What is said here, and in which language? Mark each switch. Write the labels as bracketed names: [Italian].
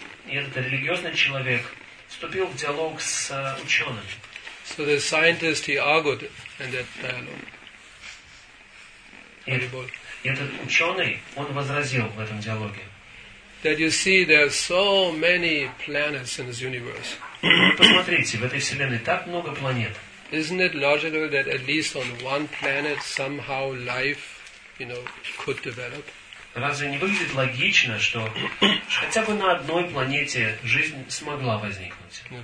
[Russian] И этот религиозный человек вступил в диалог с ученым. [English] So the scientist, he argued in that dialogue. [Russian] И этот ученый, он возразил в этом диалоге. [English] That you see, there are so many planets in this universe. [Russian] Посмотрите, в этой вселенной так много планет. [English] Isn't it logical that at least on one planet somehow life, you know, could develop? [Russian] Разве не выглядит логично, что хотя бы на одной планете жизнь смогла возникнуть?